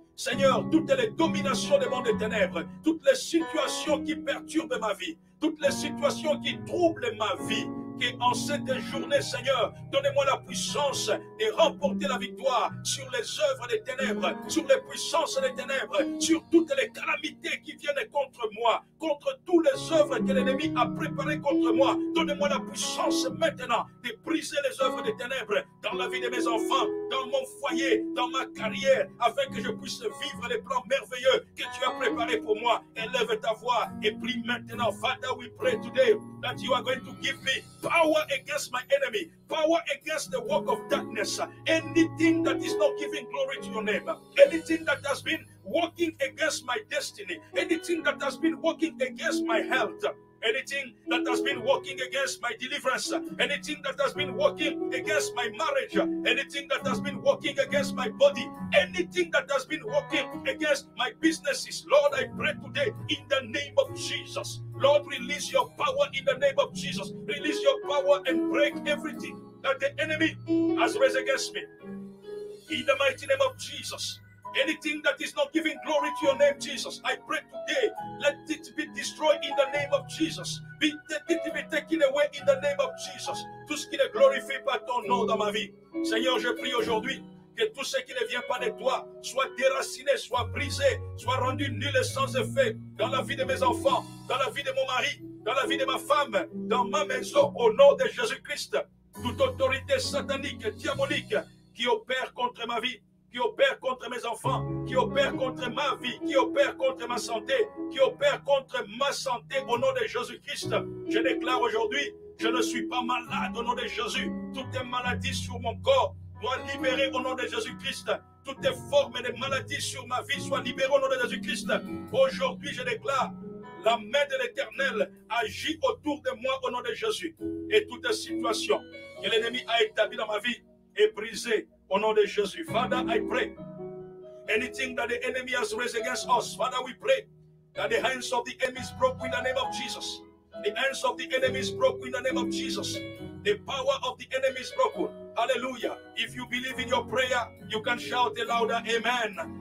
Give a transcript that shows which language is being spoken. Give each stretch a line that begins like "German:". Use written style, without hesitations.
French: Seigneur, toutes les dominations des mondes des ténèbres, toutes les situations qui perturbent ma vie, toutes les situations qui troublent ma vie, qu'en cette journée, Seigneur, donnez-moi la puissance de remporter la victoire sur les œuvres des ténèbres, sur les puissances des ténèbres, sur toutes les calamités qui viennent contre moi, contre toutes les œuvres que l'ennemi a préparées contre moi. Donnez-moi la puissance maintenant de briser les œuvres des ténèbres dans la vie de mes enfants, dans mon foyer, dans ma carrière, afin que je puisse vivre les plans merveilleux que tu as préparés pour moi. Élève ta voix et prie maintenant.
English: Father, we pray today that you are going to give me power against my enemy, power against the work of darkness, anything that is not giving glory to your name, anything that has been working against my destiny, anything that has been working against my health, anything that has been working against my deliverance, anything that has been working against my marriage, anything that has been working against my body, anything that has been working against my businesses. Lord, I pray today in the name of Jesus. Lord, release your power in the name of Jesus. Release your power and break everything that the enemy has raised against me. In the mighty name of Jesus, Anything that is not giving glory to your name, Jesus, I pray today, let it be destroyed in the name of Jesus. Be taken away in the name of Jesus.
French: Tout ce qui ne glorifie pas ton nom dans ma vie. Seigneur, je prie aujourd'hui que tout ce qui ne vient pas de toi soit déraciné, soit brisé, soit rendu nul et sans effet dans la vie de mes enfants, dans la vie de mon mari, dans la vie de ma femme, dans ma maison, au nom de Jésus-Christ. Toute autorité satanique, diabolique, qui opère contre ma vie, qui opère contre mes enfants, qui opère contre ma vie, qui opère contre ma santé, qui opère contre ma santé, au nom de Jésus-Christ, je déclare aujourd'hui, je ne suis pas malade, au nom de Jésus. Toute maladie sur mon corps soit libérée, au nom de Jésus-Christ. Toute forme de maladie sur ma vie soit libérée, au nom de Jésus-Christ. Aujourd'hui, je déclare, la main de l'Éternel agit autour de moi, au nom de Jésus. Et toute situation que l'ennemi a établie dans ma vie est brisée, au nom de Jésus.
English: Father, I pray. Anything that the enemy has raised against us, Father, we pray that the hands of the enemy is broken in the name of Jesus. The hands of the enemy is broken in the name of Jesus. The power of the enemy is broken. Hallelujah. If you believe in your prayer, you can shout a louder amen.